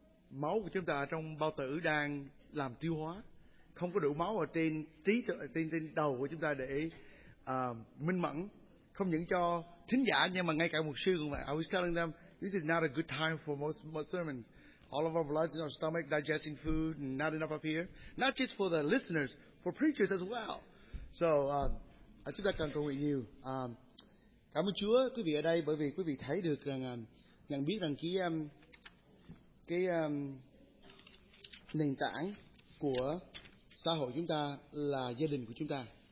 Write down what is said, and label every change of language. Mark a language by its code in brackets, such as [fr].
[vi] máu của chúng ta trong bao tử đang làm tiêu hóa, không có đủ máu ở trên trí, trên đầu của chúng ta để minh mẫn, không những cho thính giả nhưng mà ngay cả mục sư cũng vậy. [en] I was telling them this is not a good time for most sermons. All of our blood in our stomach, digesting food, and not enough up here. Not just for the listeners, for preachers as well. [vi] So, chúng ta cần cầu nguyện nhiều. Cảm ơn Chúa, quý vị ở đây, bởi vì quý vị thấy được rằng, nhận biết rằng cái nền tảng của xã hội chúng ta là gia đình của chúng ta.